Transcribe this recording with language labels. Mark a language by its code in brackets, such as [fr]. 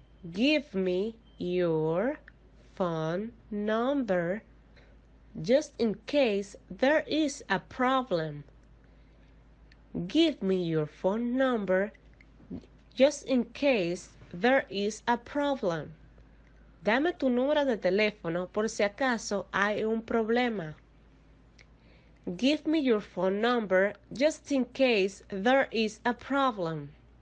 [en] Give me your phone number just in case there is a problem. Give me your phone number just in case there is a problem. [es] Dame tu número de teléfono por si acaso hay un problema. [en] Give me your phone number just in case there is a problem.